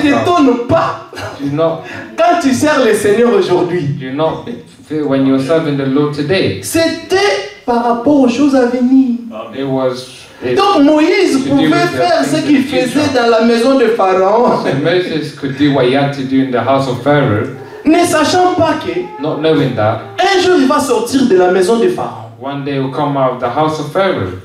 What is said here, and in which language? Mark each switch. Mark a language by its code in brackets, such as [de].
[fr] ne t'étonne pas quand tu sers le Seigneur aujourd'hui. [en] When you're serving the Lord today. [fr] C'était par rapport aux choses à venir. [en] It was, it, [fr] donc Moïse pouvait faire ce qu'il faisait dans la maison de Pharaon. [en] So Moses could do what he had to do in the house of Pharaoh. [fr] Ne sachant pas que, [en] not knowing that, [fr] un jour il va sortir de la maison de Pharaon. [en] One day he'll come out of the house of Pharaoh.